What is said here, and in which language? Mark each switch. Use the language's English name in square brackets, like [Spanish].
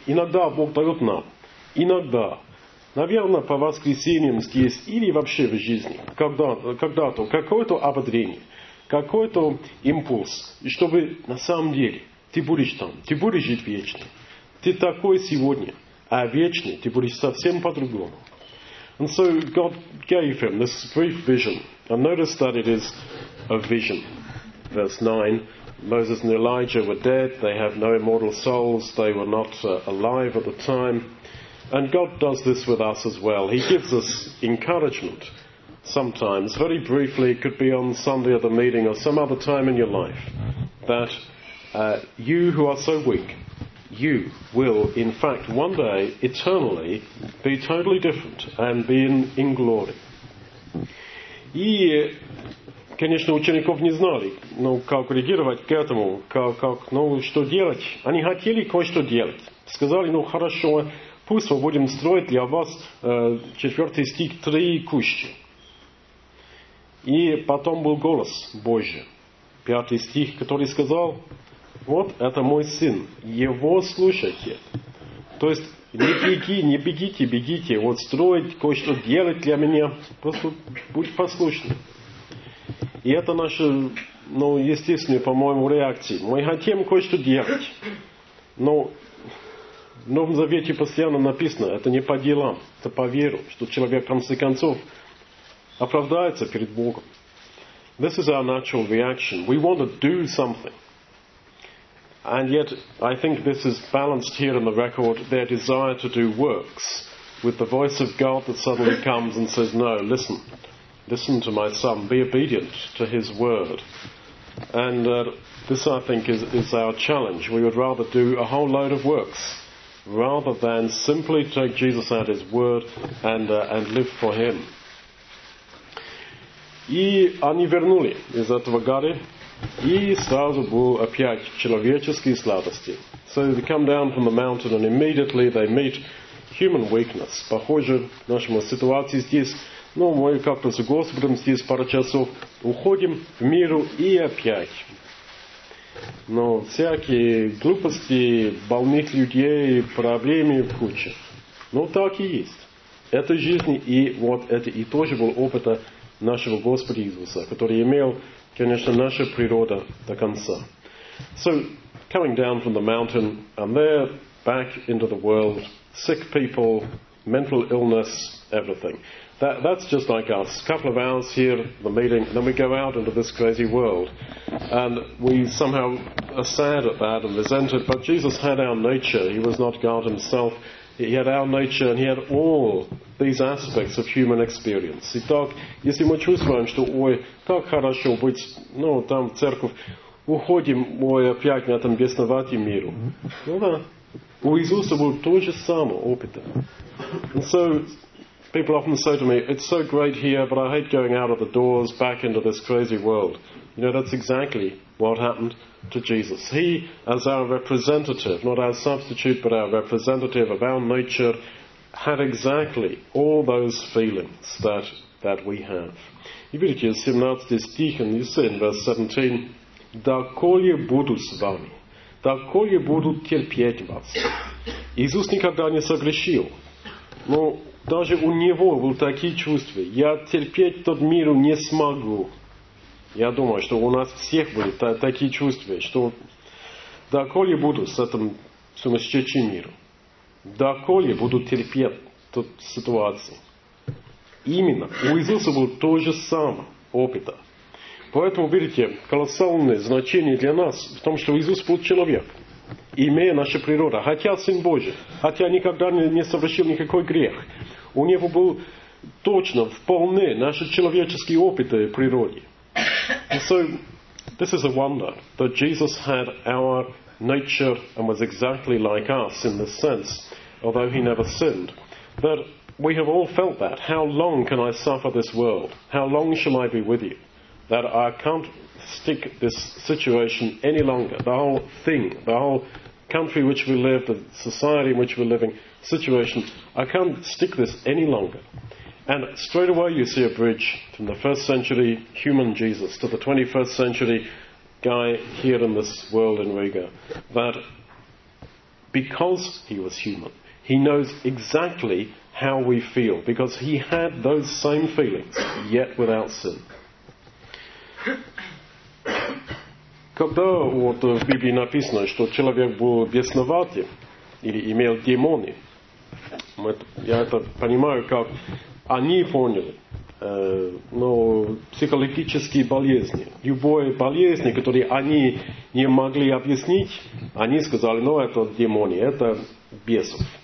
[Russian] Иногда Бог дает нам. Иногда. Наверное, по воскресеньям здесь или вообще в жизни. Когда-то. Какое-то ободрение. Какой-то импульс. И чтобы на самом деле ты будешь там. Ты будешь жить вечно. Ты такой сегодня. А вечный ты будешь совсем по-другому. [English] And so God gave him this brief vision. And notice that it is a vision. Verse 9. Moses and Elijah were dead. They have no immortal souls. They were not alive at the time. And God does this with us as well. He gives us encouragement sometimes, very briefly. It could be on Sunday at the meeting or some other time in your life, that you who are so weak, you will in fact one day eternally be totally different and be in glory. [Russian] И, конечно, учеников не знали, ну, как реагировать к этому, как, ну, что делать. Они хотели кое-что делать. Сказали, ну, хорошо, пусть мы будем строить для вас, 4 стих, 3 кущи. И потом был голос Божий, 5 стих, который сказал, вот это мой сын, его слушайте. То есть, не беги, не бегите, бегите, вот строить, кое-что делать для меня, просто будь послушным. И это наша, ну, естественная, по-моему, реакция. Мы хотим кое-что делать. Но в Новом Завете постоянно написано, это не по делам, это по веру, что человек, в конце концов, оправдается перед Богом. [English] This is our natural reaction. We want to do something. And yet, I think this is balanced here in the record, their desire to do works, with the voice of God that suddenly comes and says, no, listen. Listen to my son. Be obedient to his word. And this, I think, is our challenge. We would rather do a whole load of works rather than simply take Jesus at his word and live for him. [Russian] И они вернули из этого горы, и сразу был опять человеческие слабости. [English] So they come down from the mountain and immediately they meet human weakness. [Russian] Похоже, в нашем ситуации здесь, ну, мы как-то с Господом здесь пару часов уходим в миру и опять. Но всякие глупости, больных людей, проблемы в куче. Ну, так и есть. Это жизнь, и вот это и тоже был опыт нашего Господа Иисуса, который имел, конечно, наша природа до конца. [English] So, coming down from the mountain, and there, back into the world, sick people, mental illness, everything. That's just like us. A couple of hours here, the meeting, then we go out into this crazy world. And we somehow are sad at that and resent it. But Jesus had our nature. He was not God himself. He had our nature and he had all these aspects of human experience. [Russian] Итак, если мы чувствуем, что, ой, как хорошо быть, ну, там, в церковь, уходим мы опять на этом бесноватом миру. Ну да. У Иисуса был тот же самый опыт. [English] And so, people often say to me, it's so great here, but I hate going out of the doors back into this crazy world. You know, that's exactly what happened to Jesus. He, as our representative, not our substitute, but our representative of our nature, had exactly all those feelings that we have. [Russian] И видите, 17 стих, он говорит [English] in verse 17, [Russian] «Доколе буду с вами, доколе буду терпеть вас». Иисус никогда не согрешил. Но даже у Него были такие чувства. «Я терпеть тот мир не смогу». Я думаю, что у нас всех были такие чувства, что «Доколе буду с этим сумасшедшим миром, доколе буду терпеть тот ситуацию». Именно у Иисуса был тот же самый опыт. Поэтому, видите, колоссальное значение для нас в том, что Иисус был человек, имея нашу природу, хотя Сын Божий, хотя никогда не совершил никакой грех. У Него был точно, вполне наши человеческие опыты в природе. [English] And so, this is a wonder, that Jesus had our nature and was exactly like us in this sense, although He never sinned. That we have all felt that. How long can I suffer this world? How long shall I be with you? That I can't stick this situation any longer. The whole thing, the whole country which we live, the society in which we're living, situation, I can't stick this any longer. And straight away you see a bridge from the first century human Jesus to the 21st century guy here in this world in Riga. That because he was human, he knows exactly how we feel, because he had those same feelings, yet without sin. [Russian] Когда вот в Библии написано, что человек был бесноватым или имел демоны, я это понимаю, как они поняли, но психологические болезни, любые болезни, которые они не могли объяснить, они сказали, ну это демоны, это бесов.